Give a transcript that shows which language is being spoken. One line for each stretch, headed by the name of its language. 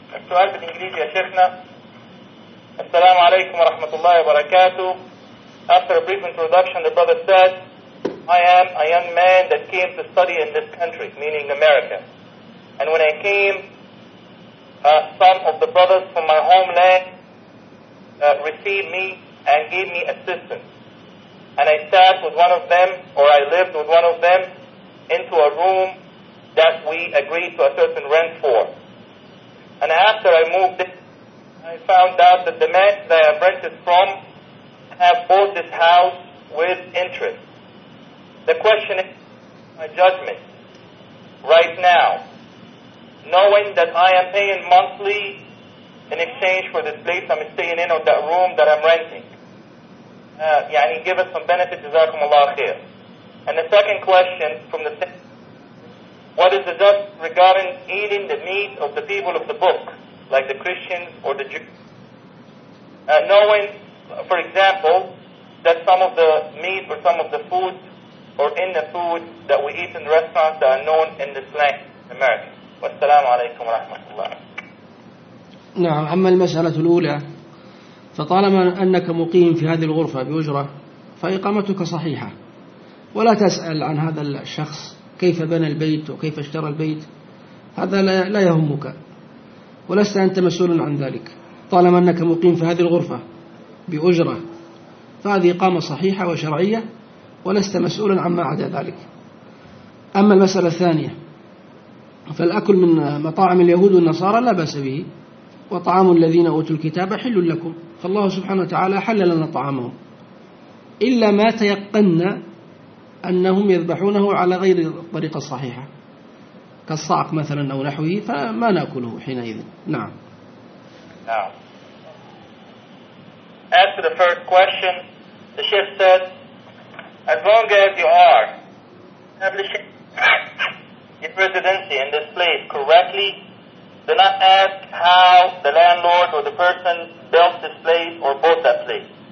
Arabic: السؤال بالإنجليزي يا شيخنا. السلام عليكم ورحمة الله وبركاته.
English: After a brief introduction, the brother said, I am a young man that came to study in this country, meaning America. And when I came, some of the brothers from my homeland received me and gave me assistance. And I sat with one of them, or I lived with one of them, into a room that we agreed to a certain rent for. And after I moved in, I found out that the man that I have rented from have bought this house with interest. The question is, my judgment, right now, knowing that I am paying monthly in exchange for this place I'm staying in, or that room that I'm renting.
Arabic: يعني
English: give us some benefit,
Arabic: جزاكم الله خير.
English: And the second question from the same, what is the judgment regarding eating the meat of the people of the book, like the Christians or the Jews? Knowing, for example, that some of the meat or some of the food or in the food that we eat in the restaurants that are known in this land, America.
Arabic: والسلام عليكم ورحمة الله. نعم. أما المسألة الأولى فطالما أنك مقيم في هذه الغرفة بأجرة فإقامتك صحيحة، ولا تسأل عن هذا الشخص كيف بنى البيت وكيف اشترى البيت، هذا لا يهمك ولست أنت مسؤول عن ذلك. طالما أنك مقيم في هذه الغرفة بأجرة فهذه إقامة صحيحة وشرعية، ولست مسؤولا عما عدا ذلك. أما المسألة الثانية فالأكل من مطاعم اليهود والنصارى لا بأس به، وطعام الذين أوتوا الكتاب حل لكم، فالله سبحانه وتعالى حل لنا طعامهم إلا ما تيقن أنهم يذبحونه على غير الطريقة الصحيحة كالصعق مثلا أو نحوه، فما نأكله حينئذ. نعم.
English: Now, as to the first question, the chef said, as long as you are establishing your residency in this place correctly, do not ask how the landlord or the person built this place or bought that place.